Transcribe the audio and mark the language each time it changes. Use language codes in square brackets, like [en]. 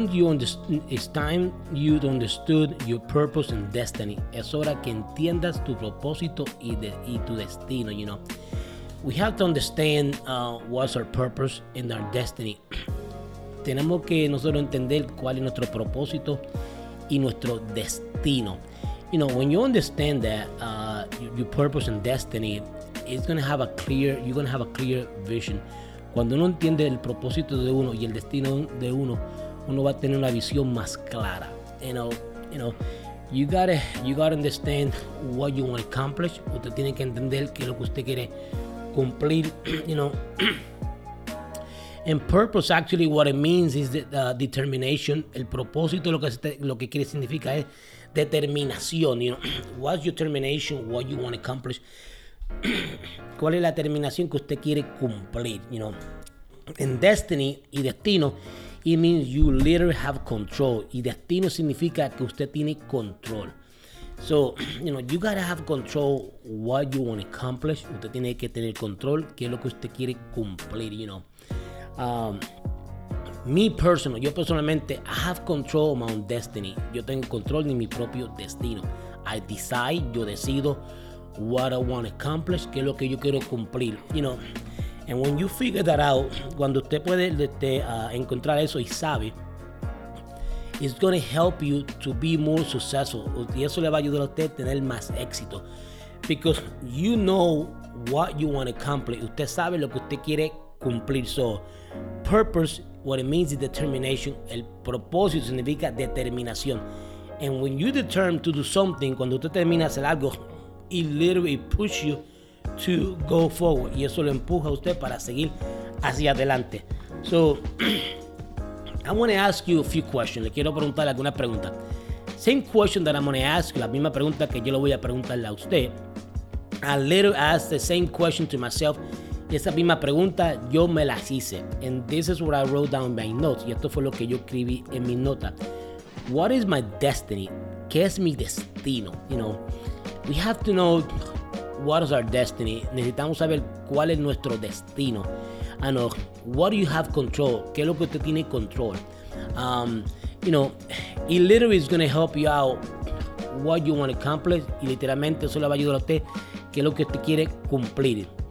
[en] It's time you understood your purpose and destiny. [es] Es hora que entiendas tu propósito y tu destino, [en] you know. We have to understand what's our purpose and our destiny. [es] Tenemos que nosotros entender cuál es nuestro propósito y nuestro destino. [en] You know, when you understand that your purpose and destiny, you're gonna have a clear vision. [es] Cuando uno entiende el propósito de uno y el destino de uno, uno va a tener una visión más clara. [en] You know, you gotta understand what you want to accomplish. [es] Usted tiene que entender qué es lo que usted quiere cumplir. [en] You know, and purpose, actually, what it means is the determination. [es] El propósito, lo que quiere significa es determinación. [en] You know, what's your determination? What you want to accomplish? [es] ¿Cuál es la determinación que usted quiere cumplir? [en] You know, in destiny [es] y destino, [en] it means you literally have control. [es] Y destino significa que usted tiene control. [en] So, you know, you gotta have control what you want to accomplish. [es] Usted tiene que tener control qué es lo que usted quiere cumplir. [en] You know, [es] yo personalmente, [en] I have control of my own destiny. [es] Yo tengo control de mi propio destino. [en] I decide, [es] yo decido [en] what I want to accomplish, [es] qué es lo que yo quiero cumplir, [en] you know. And when you figure that out, [es] cuando usted puede encontrar eso y sabe, [en] it's going to help you to be more successful. [es] Y eso le va a ayudar a usted a tener más éxito. [en] Because you know what you want to accomplish. [es] Usted sabe lo que usted quiere cumplir. [en] So, purpose, what it means is determination. [es] El propósito significa determinación. [en] And when you determine to do something, [es] cuando usted termina hacer algo, [en] it literally pushes you to go forward. [es] Y eso lo empuja a usted para seguir hacia adelante. [en] So, I want to ask you a few questions. [es] Le quiero preguntar algunas preguntas. [en] Same question that I'm going to ask you. [es] La misma pregunta que yo le voy a preguntarle a usted. [en] I literally asked the same question to myself. [es] Y esa misma pregunta yo me la hice. [en] And this is what I wrote down in my notes. [es] Y esto fue lo que yo escribí en mi nota. [en] What is my destiny? [es] ¿Qué es mi destino? [en] You know, we have to know what is our destiny. [es] Necesitamos saber cuál es nuestro destino. [en] I know, what do you have control? [es] ¿Qué es lo que usted tiene control? [en] You know, it literally is going to help you out what you want to accomplish. [es] Y literalmente eso le va a ayudar a usted qué es lo que usted quiere cumplir.